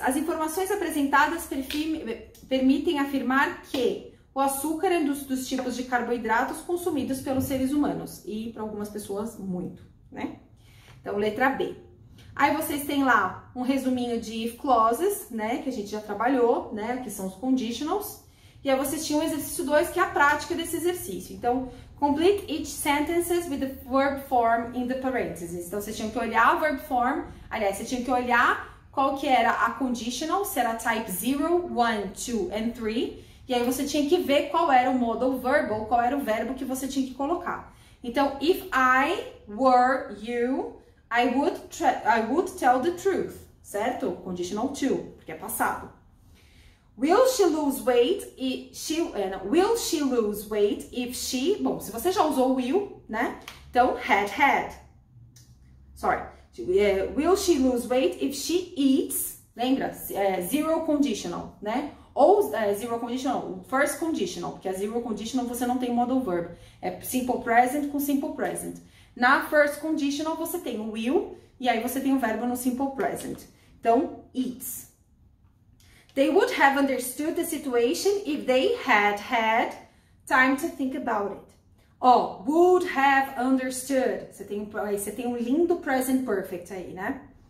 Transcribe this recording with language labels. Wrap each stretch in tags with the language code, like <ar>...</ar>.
<pt>As informações apresentadas permitem afirmar que o açúcar é um dos tipos de carboidratos consumidos pelos seres humanos. E para algumas pessoas, muito, né? Então, letra B. Aí vocês têm lá um resuminho de if clauses, né? Que a gente já trabalhou, né? Que são os conditionals. E aí vocês tinham o exercício 2, que é a prática desse exercício.</pt> <en>Então, complete each sentence with the verb form in the parentheses.</en> <pt>Então, vocês tinham que olhar a verb form. Aliás, vocês tinham que olhar qual que era a conditional, se era type 0, 1, 2 and 3. E aí você tinha que ver qual era o modal verbal, qual era o verbo que você tinha que colocar.</pt> <en>Então, if I were you, I would tell the truth, certo? Conditional 2,</en> <pt>porque é passado.</pt> <en>Will she lose weight if she...</en> <pt>Bom, se você já usou will, né? Então, had. Sorry.</pt> <en>Will she lose weight if she eats... Lembra? Zero conditional, né? Ou zero conditional, first conditional.</en> <pt>Porque a zero conditional você não tem modal verb. É simple present com simple present. Na first conditional você tem o will e aí você tem o verbo no simple present. Então, eats.</pt> <en>They would have understood the situation if they had time to think about it. Oh, would have understood.</en> <pt>Você tem um lindo present perfect aí, né?</pt>